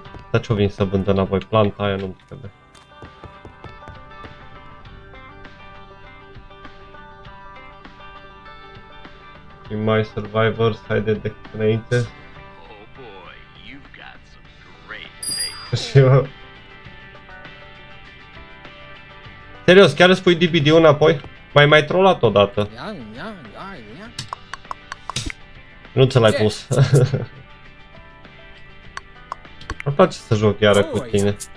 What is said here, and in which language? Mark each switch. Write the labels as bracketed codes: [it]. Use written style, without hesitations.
[ro] Dar ce-o vin să vândă înapoi? Planta aia nu-mi trebuie. Și mai survivors, haide de înainte. [en] Oh boy, you've got some great taste. [ro] Serios, chiar îți pui DBD-ul înapoi? Mai trollat odată. Nu ți l-ai pus. Îmi place să joc iară cu tine.